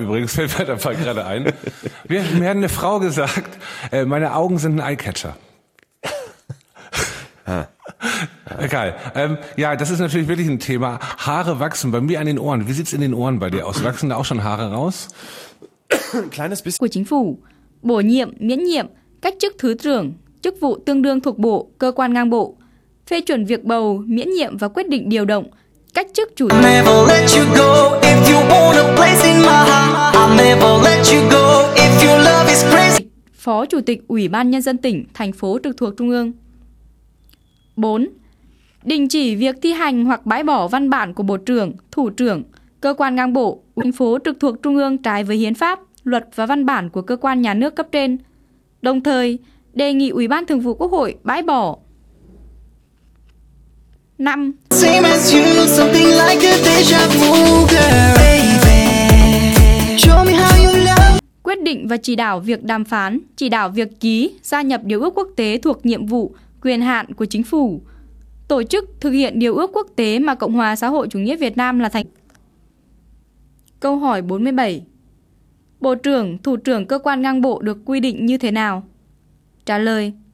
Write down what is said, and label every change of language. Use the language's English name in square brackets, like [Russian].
[German] Übrigens fällt mir dabei gerade ein. Mir hat eine Frau gesagt, meine Augen sind ein Eyecatcher. Egal. Das ist natürlich wirklich ein Thema. Haare wachsen bei mir an den Ohren. Wie sieht's in den Ohren bei dir aus? Wachsen da auch schon Haare raus? Kleines bisschen. [Vietnamese] Của chính phủ, bổ nhiệm, miễn nhiệm, cách chức thứ trưởng, chức vụ tương đương thuộc bộ, cơ quan ngang bộ, phê chuẩn việc bầu, miễn nhiệm và quyết định điều động, cách chức chủ tịch. [English] Never let you go if you want a place in my heart. I'll never let you go if your love is crazy. [Vietnamese] Phó chủ tịch Ủy ban Nhân dân tỉnh, thành phố trực thuộc trung ương. 4. Đình chỉ việc thi hành hoặc bãi bỏ văn bản của Bộ trưởng, Thủ trưởng, cơ quan ngang bộ, thành phố trực thuộc Trung ương trái với hiến pháp, luật và văn bản của cơ quan nhà nước cấp trên. Đồng thời, đề nghị Ủy ban Thường vụ Quốc hội bãi bỏ. 5. [English] Same as you, something like a deja vu, girl, baby. Show me how you love. [Vietnamese] Quyết định và chỉ đạo việc đàm phán, chỉ đạo việc ký, gia nhập điều ước quốc tế thuộc nhiệm vụ, quyền hạn của chính phủ, tổ chức thực hiện điều ước quốc tế mà Cộng hòa xã hội chủ nghĩa Việt Nam là thành. Câu hỏi 47. Bộ trưởng, thủ trưởng cơ quan ngang bộ được quy định như thế nào? Trả lời.